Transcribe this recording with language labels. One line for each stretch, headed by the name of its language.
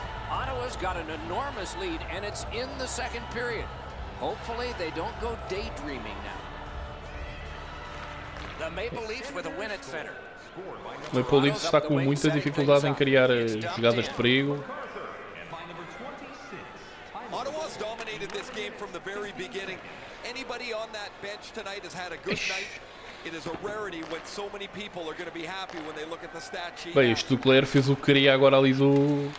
English: Ottawa's got an enormous lead and it's in the second period. Hopefully they don't go daydreaming now. The Maple Leafs with a win at center.
Portuguese: O Maple Leafs está com muita dificuldade em criar jogadas de perigo.
English: Ottawa's dominated this game from the very beginning. Anybody on that bench tonight has had a good night. It is a rarity when so many people are going to be happy when they look at the stat sheet.
Portuguese: Bem, este Duclair fez o que queria agora ali do.